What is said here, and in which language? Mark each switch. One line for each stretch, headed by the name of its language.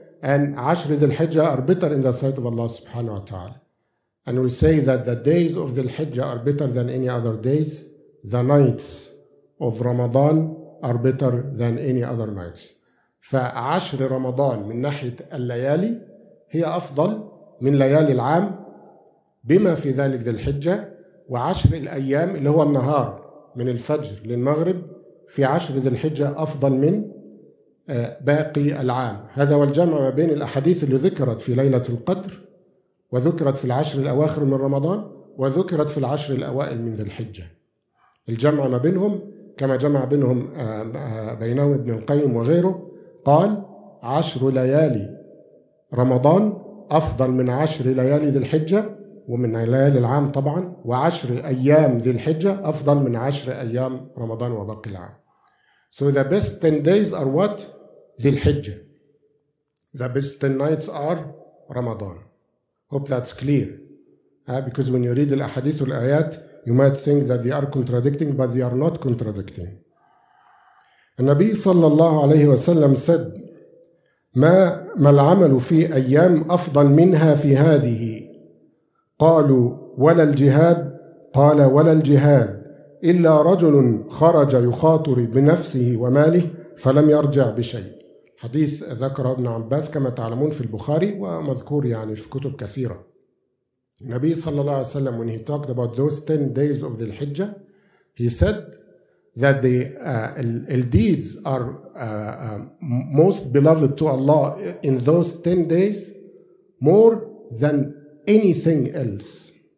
English: and Ashr Dhul Hijjah are bitter in the sight of Allah subhanahu wa ta'ala. And we say that the days of Dhul Hijjah are bitter than any other days. The nights of Ramadan are bitter than any other nights.
Arabic: فعشر رمضان من ناحية الليالي هي أفضل من ليالي العام بما في ذلك ذي الحجة وعشر الأيام اللي هو النهار من الفجر للمغرب في عشر ذي الحجة أفضل من باقي العام. هذا والجمع ما بين الأحاديث اللي ذكرت في ليلة القدر وذكرت في العشر الأواخر من رمضان وذكرت في العشر الأوائل من ذي الحجة. الجمع ما بينهم كما جمع بينهم بينهم ابن القيم وغيره قال عشر ليالي رمضان أفضل من عشر ليالي ذي الحجة ومن ليالي العام طبعا وعشر أيام ذي الحجة أفضل من عشر أيام رمضان وباقي العام.
English: So the best 10 days are what?
Arabic: ذي الحجة.
English: The best 10 nights are رمضان. Hope that's clear. Because when you read
Arabic: الأحاديث والآيات
English: you might think that they are contradicting but they are not contradicting.
Arabic: النبي صلى الله عليه وسلم
English: said
Arabic: ما العمل في أيام أفضل منها في هذه؟ قالوا ولا الجهاد. قال ولا الجهاد إلا رجل خرج يخاطر بنفسه وماله فلم يرجع بشيء. حديث ذكر ابن عباس كما تعلمون في البخاري ومذكور يعني في كتب كثيرة. النبي صلى الله عليه وسلم
English: when he talked about those 10 days of the Hijja he said that the deeds are most beloved to Allah in those 10 days more than anything else.